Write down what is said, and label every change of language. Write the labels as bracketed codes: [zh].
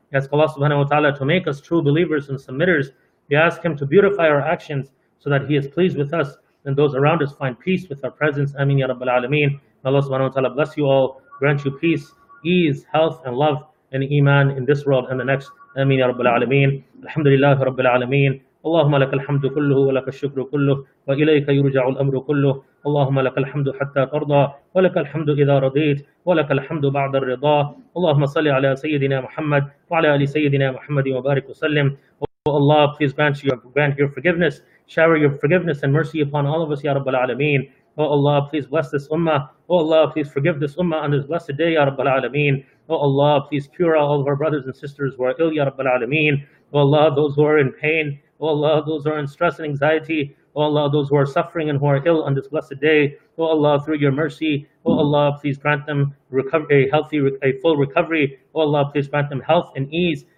[en] We ask Allah subhanahu wa ta'ala to make us true believers and submitters. We ask Him to beautify our actions so that He is pleased with us and those around us find peace with our presence. Ameen ya Rabbil Alameen. May Allah subhanahu wa ta'ala bless you all, grant you peace, ease, health, and love, and iman in this world and the next. [ar] Ameen ya Rabbil Alameen. Alhamdulillahi Rabbil Alameen. اللهم لك الحمد كله ولك الشكر كله وإليك يرجع الأمر كله اللهم لك الحمد حتى ترضى ولك الحمد إذا رضيت ولك الحمد بعد الرضا اللهم صل على سيدنا محمد وعلى آل سيدنا محمد وبارك وسلم [en] Allah, please grant your forgiveness, shower your forgiveness and mercy upon all of us, Ya Rabbal Alameen. Oh Allah, please bless this Ummah. Oh Allah, please forgive this Ummah on this blessed day, Ya Rabbal Alameen. Oh Allah, please cure all of our brothers and sisters who are ill, Ya Rabbal Alameen. Oh Allah, those who are in pain, oh Allah, those who are in stress and anxiety, oh Allah, those who are suffering and who are ill on this blessed day, oh Allah, through your mercy, oh Allah, please grant them a full recovery, oh Allah, please grant them health and ease,